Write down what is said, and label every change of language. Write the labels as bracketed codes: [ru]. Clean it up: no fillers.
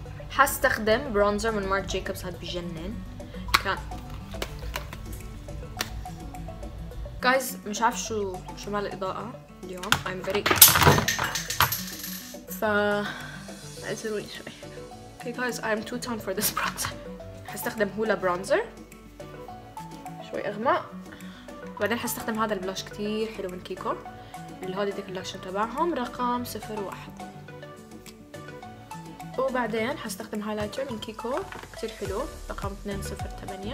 [ar] حستخدم برونزر من مارك جيكوبز، هاد بجنن. كان جايز مش عارف شو مال الاضاءه اليوم، [en] I'm very [ar] اعذروني شوي. [en] Okay guys I'm too tan for this bronzer. [ar] هستخدم هولا برونزر شوي اغمق، بعدين هستخدم هذا البلاش كتير حلو من كيكو اللي هو ديك اللاكشن تبعهم رقم 01، وبعدين هستخدم هايلايتر من كيكو كتير حلو رقم 208.